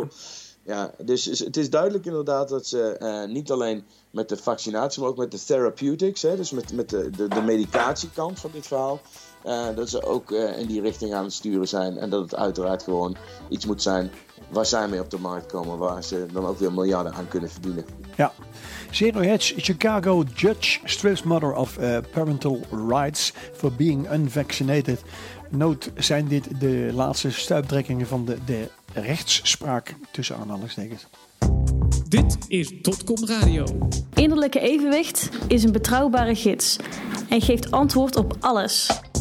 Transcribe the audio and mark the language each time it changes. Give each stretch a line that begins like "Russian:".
Dutch: Ja. Ja, dus het is duidelijk inderdaad dat ze niet alleen met de vaccinatie, maar ook met de therapeutics, hè, dus met de medicatiekant van dit verhaal, dat ze ook in die richting aan het sturen zijn. En dat het uiteraard gewoon iets moet zijn waar zij mee op de markt komen, waar ze dan ook weer miljarden aan kunnen verdienen. Ja.
English: Zero Hedge, Chicago judge, strips mother of parental rights for being unvaccinated.
Dutch: Note, zijn dit de laatste stuiptrekkingen van de rechtsspraak tussen aanhalingstekens. Dit is Dotcom Radio. Innerlijke evenwicht is een betrouwbare gids en geeft antwoord op alles.